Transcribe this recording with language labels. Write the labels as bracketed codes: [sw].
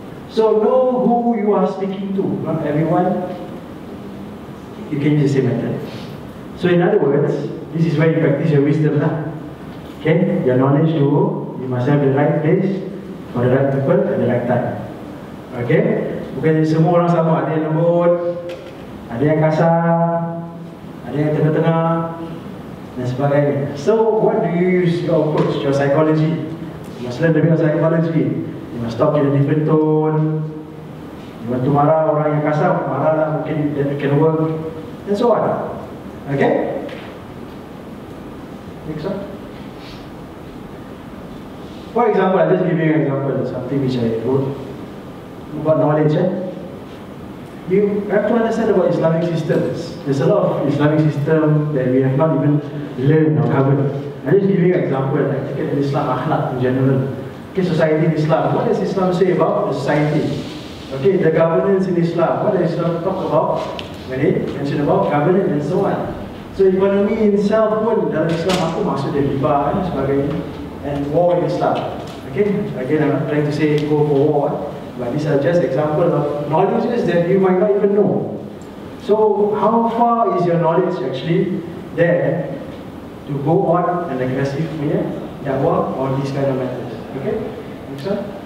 [en] So know who you are speaking to, not everyone. You can use the same method. So in other words, this is where you practice your wisdom. Okay? Your knowledge to you must have the right place for the right people at the right time. Okay? [ms] Bukan semua orang sama, ada yang lembut, ada yang kasar, ada yang tengah-tengah, dan sebagainya. [en] So what do you use your approach, your psychology? You must learn the bit of psychology. You must talk in a different tone. You want to [ms] marah orang yang kasar, marahlah mungkin [en] that can work. And so on. Okay? Next one. For example, I'll just give you an example of something which I wrote about knowledge. You have to understand about Islamic systems. There's a lot of Islamic system that we have not even learned or covered. I'll just give you an example, like an Islam akhlaq in general. Okay, society in Islam. What does Islam say about the society? Okay, the governance in Islam. What does Islam talk about? When it mentioned about governance and so on. So economy itself [ms] pun dalam Islam aku maksud dia riba dan sebagainya. [en] And war in Islam. Okay? Again, I'm not trying to say go for war. But these are just example of knowledge that you might not even know. So how far is your knowledge actually there to go on an aggressive [ms] punya dakwah [en] on these kind of matters? Okay? Next one.